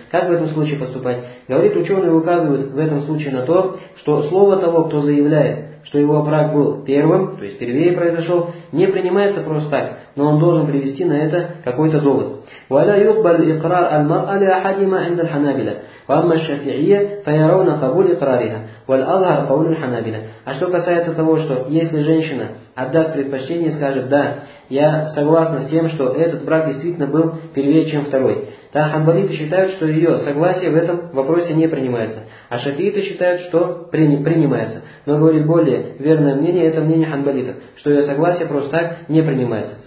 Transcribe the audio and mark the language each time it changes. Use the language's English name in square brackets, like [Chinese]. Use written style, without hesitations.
[Russian] Как в этом случае поступать? Говорит, ученые указывают в этом случае на то, что слово того, кто заявляет, что его брак был первым, то есть первее произошел, не принимается просто так, но он должен привести на это какой-то довод. [Arabic] «Вала юкбалю икрар аль-мар'а ля ахадима инда аль-ханабиля». وأما الشافعية فيرون قبول إقرارها والأظهر قول الحنابلة. [Russian] А что касается того, что если женщина отдаст предпочтение и скажет да, я согласна с тем, что этот брак действительно был первее, чем второй, то ханбалиты считают, что ее согласие в этом вопросе не принимается, а шафииты считают, что принимается. Но говорит, более верное мнение это мнение ханбалитов, что ее согласие просто так не принимается.